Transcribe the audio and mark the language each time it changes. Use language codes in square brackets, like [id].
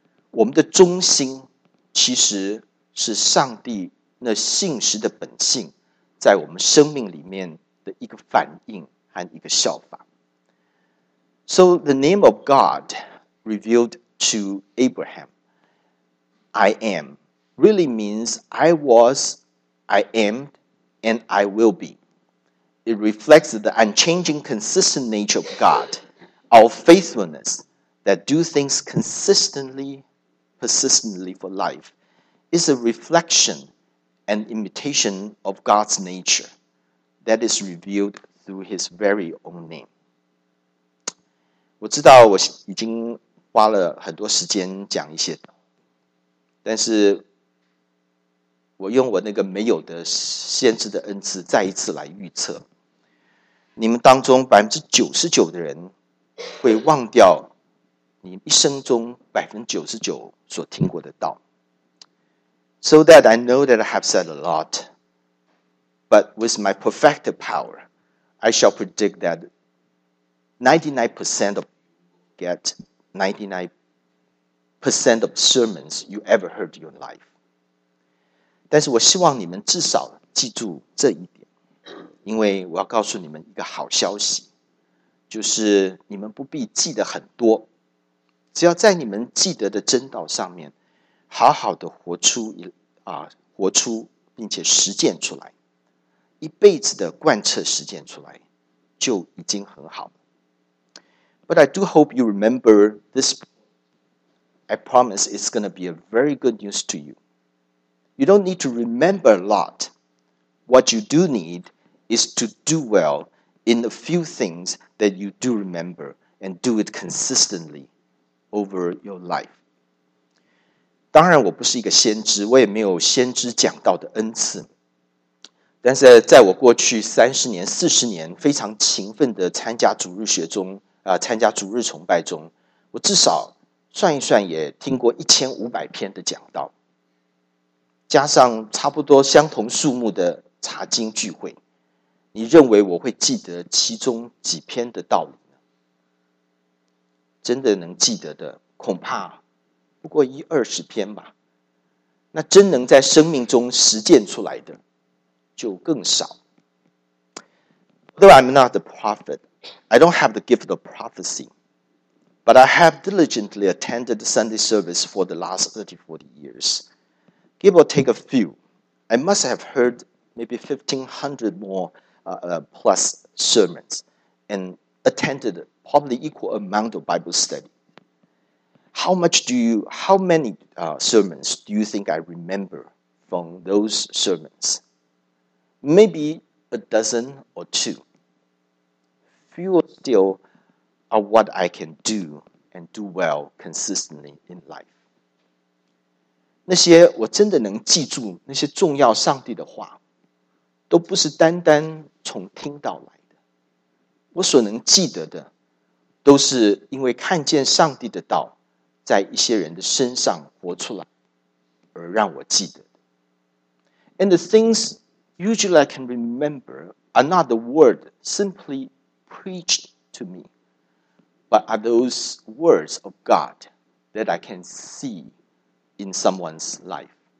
[zh] 我们的忠心其实是上帝那信实的本性在我们生命里面的一个反应和一个效法。 [en] So the name of God revealed to Abraham, I am, really means I was, I am, and I will be. It reflects the unchanging consistent nature of God, our faithfulness that do things consistently, persistently for life, is a reflection and imitation of God's nature. That is revealed through his very own name. [zh] 我知道我已经花了很多时间讲一些，但是我用我那个没有的先知的恩赐再一次来预测，你们当中 99% 的人会忘掉你一生中 99% 所听过的道。 [en] So that I know that I have said a lot, but with my perfected power, I shall predict that 99% of get 99% of sermons you ever heard in your life. [zh] 但是我希望你们至少记住这一点，因为我要告诉你们一个好消息，就是你们不必记得很多，只要在你们记得的真道上面好好的活出活出并且实践出来，一辈子的贯彻实践出来就已经很好。 [en] But I do hope you remember this. I promise it's going to be a very good news to you. You don't need to remember a lot. What you do need is to do well in a few things that you do remember and do it consistently over your life. [zh] 当然我不是一个先知，我也没有先知讲道的恩赐，但是在我过去30年、40年非常勤奋的参加主日学中，参加主日崇拜中，我至少算一算也听过1500篇的讲道，加上差不多相同数目的查经聚会，你认为我会记得其中几篇的道理呢？真的能记得的，恐怕不过10-20篇吧。那真能在生命中实践出来的就更少。 [en] Though I'm not a prophet, I don't have the gift of prophecy, but I have diligently attended Sunday service for the last 30-40 years. Give or take a few, I must have heard maybe 1,500 more plus sermons and attended probably equal amount of Bible study. How many sermons do you think I remember from those sermons? Maybe a dozen or two. Fewer still are what I can do and do well consistently in life. [zh] 那些我真的能记住那些重要上帝的话，都不是单单从听到来的。我所能记得的，都是因为看见上帝的道在一些人的身上活出来，而让我记得的。 [en] And the things... Usually I can remember are not the word simply preached to me, but are those words of God that I can see in someone's life.